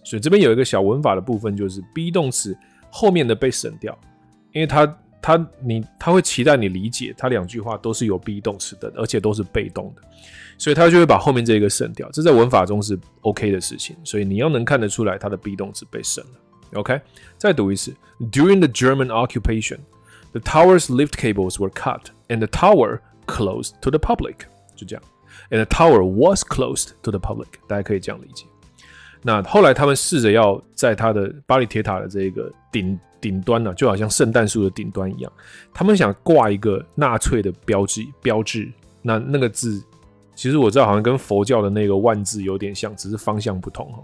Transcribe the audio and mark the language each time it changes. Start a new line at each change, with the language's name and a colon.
Chinese: 所以这边有一个小文法的部分，就是 be 动词后面的被省掉，因为他会期待你理解他两句话都是有 be 动词的，而且都是被动的，所以他就会把后面这个省掉，这在文法中是 OK 的事情，所以你要能看得出来他的 be 动词被省了。 OK， 再读一次。
English: During the German occupation, the tower's lift cables were cut and the tower closed to the public.
Chinese: 就这样。
English: And the tower was closed to the public.
Chinese: 大家可以这样理解。那后来他们试着要在他的巴黎铁塔的这个顶端、啊、就好像圣诞树的顶端一样，他们想挂一个纳粹的标志。那个字，其实我知道好像跟佛教的那个万字有点像，只是方向不同。